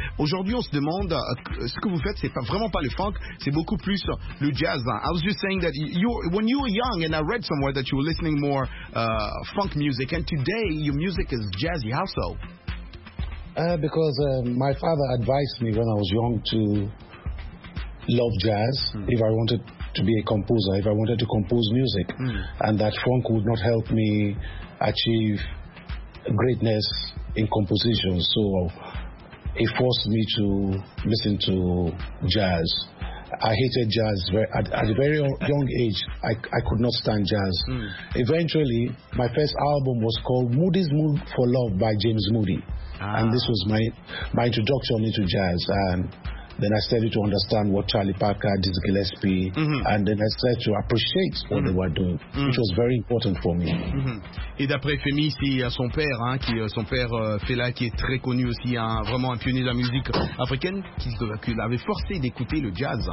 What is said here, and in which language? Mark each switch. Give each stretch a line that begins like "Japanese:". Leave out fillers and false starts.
French: Aujourd'hui, on se demande, ce que vous faites, c'est pas, vraiment pas le funk, c'est beaucoup plus le jazz.
English: I was just saying that you, when you were young, and I read somewhere that you were listening more funk music, and today your music is jazzy. How so? Because my father advised me when I was young to love jazz if I wanted to be a composer, if I wanted to compose music, and that funk would not help me achieve greatness in composition. So it forced me to listen to jazz. I hated jazz at a very young age. I could not stand jazz. Eventually, my first album was called Moody's Mood for Love by James Moody. And this was my introduction into jazz. And then I started to understand what Charlie Parker, Dizzy Gillespie, and then I started to appreciate what they were doing, which was very important for me.
French: Et d'après Femi, c'est son père, hein, qui son père Fela, qui est très connu aussi, hein, vraiment un pionnier de la musique africaine, qui l'avait forcé d'écouter le jazz.